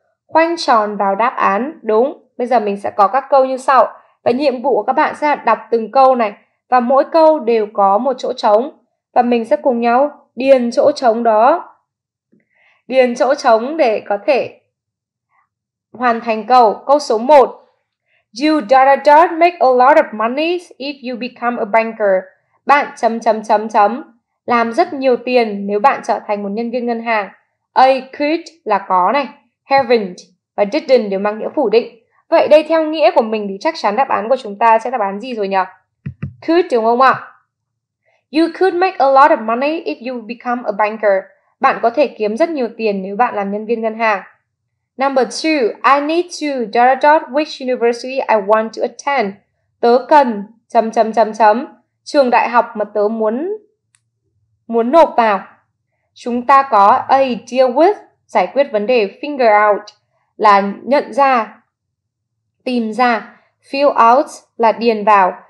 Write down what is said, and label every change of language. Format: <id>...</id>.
<vi>Khoanh tròn vào đáp án, đúng. Bây giờ mình sẽ có các câu như sau. Và nhiệm vụ của các bạn sẽ là đọc từng câu này. Và mỗi câu đều có một chỗ trống. Và mình sẽ cùng nhau điền chỗ trống đó. Điền chỗ trống để có thể hoàn thành câu. Câu số 1.</vi> <en>You don't make a lot of money if you become a banker.</en> <vi>Bạn .. Làm rất nhiều tiền nếu bạn trở thành một nhân viên ngân hàng. A could là có này, haven't và didn't đều mang nghĩa phủ định. Vậy đây theo nghĩa của mình thì chắc chắn đáp án của chúng ta sẽ đáp án gì rồi nhỉ? Could đúng không ạ?</vi> <en>You could make a lot of money if you become a banker.</en> <vi>Bạn có thể kiếm rất nhiều tiền nếu bạn làm nhân viên ngân hàng.</vi> <en>Number 2, I need to .. which university I want to attend.</en> <vi>Tớ cần .. trường đại học mà tớ muốn nộp vào. Chúng ta có A, deal with, giải quyết vấn đề, figure out, là nhận ra, tìm ra, fill out, là điền vào.</vi>